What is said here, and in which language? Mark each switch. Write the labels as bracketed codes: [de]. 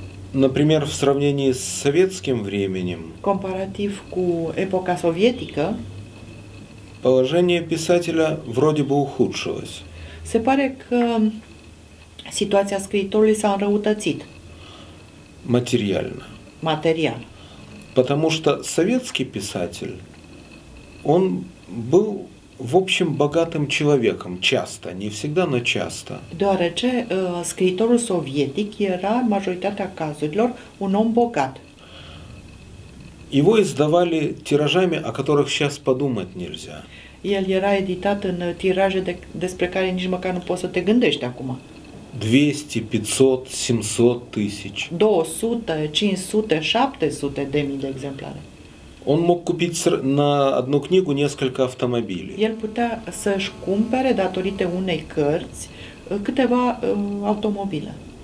[ru] Например, в сравнении с советским временем. [ro] Comparativ cu epoca sovietică. [ru] Положение писателя вроде бы ухудшилось. [ro] Se pare că situația scriitorului s-a înrăutățit. [ru] Материально. [ro] Материал. [ru] Потому что советский писатель, он был, в общем, богатым человеком часто, не всегда, но часто. [ro] Deoarece scriitorul sovietic era majoritatea cazurilor un om bogat. [ru] Его издавали тиражами, о которых сейчас подумать нельзя. [ro] El era editat în tiraje despre care nici măcar nu poți să te gândești acum. [ru] 200, 500, 700 тысяч. [ro] 200, 500, 700 de mii de exemplare. [ru] Он мог купить на одну книгу несколько автомобилей. [ro] El putea să-și cumpere, datorită unei cărți, câteva automobile.